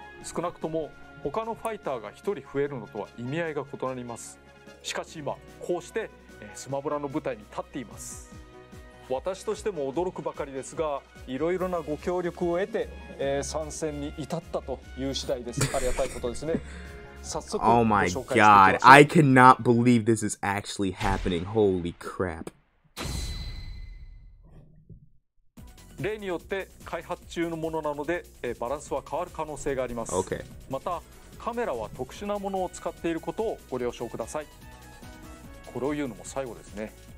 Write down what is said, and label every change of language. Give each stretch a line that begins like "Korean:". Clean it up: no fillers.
Japanese: 少なくとも他のファイターが1人増えるのとは意味合いが異なります。しかし今こうしてスマブラの舞台に立っています。私としても驚くばかりですが、いろいろなご協力を得て、参戦に至ったという次第です。ありがたいことですね。早速、
English: Oh my god, I cannot believe this is actually happening. Holy crap.
Japanese: 例によって開発中のものなので、バランスは変わる可能性があります。
English: Okay.
Japanese: また、カメラは特殊なものを使っていることをご了承ください。これを言うのも最後ですね。